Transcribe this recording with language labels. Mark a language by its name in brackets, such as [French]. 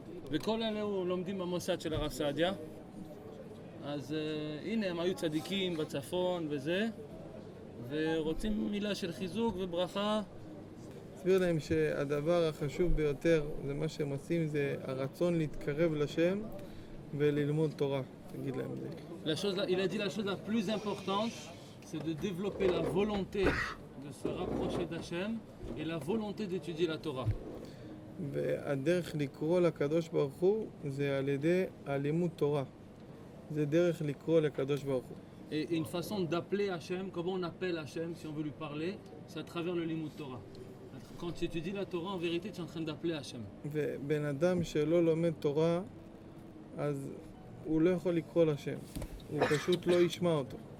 [Hebrew] וכל אלה הוא לומדים במוסד של הרב סעדיה. אז הנה הם היו צדיקים בצפון וזה, ורוצים מילה של חיזוק וברכה. תסביר להם שהדבר החשוב ביותר זה מה שהם עושים, זה הרצון להתקרב לשם וללמוד תורה. תגיד להם זה. [French] La chose, il a dit la chose la plus importante, c'est de développer la volonté de se rapprocher d'Hachem et la volonté d'étudier la Torah. [Hebrew] והדרך לקרוא לקדוש ברוך הוא זה על ידי הלימוד תורה. זה דרך לקרוא לקדוש ברוך הוא. [French] Et une façon d'appeler Hachem, comment on appelle Hachem si on veut lui parler, c'est à travers le limud Torah. Quand tu étudies la Torah, en vérité, tu es en train d'appeler Hachem. [Hebrew] ובן אדם שלא לומד תורה, אז הוא לא יכול לקרוא לשם, הוא פשוט לא ישמע אותו.